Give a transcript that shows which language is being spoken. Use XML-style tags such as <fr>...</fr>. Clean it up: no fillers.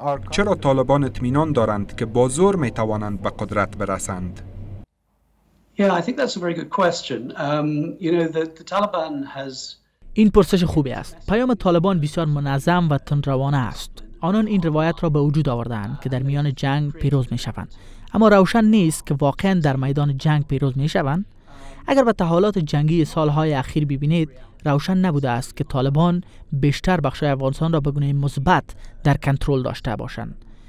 <fa>چرا طالبان اطمینان دارند که با زور می توانند به قدرت برسند؟</fa> <en>Yeah, I think that's a very good question. You know, the Taliban has.</en> <fa>این پرسش خوبی است. پیام طالبان بسیار منظم و تندروانه است. آنان این روایت را به وجود آوردند که در میان جنگ پیروز می شوند. اما روشن نیست که واقعا در میدان جنگ پیروز می شوند. اگر به تحولات جنگی سالهای اخیر ببینید، روشن نبوده است که طالبان بیشتر بخشای افغانستان را به گونه مثبت در کنترل داشته باشند.</fa>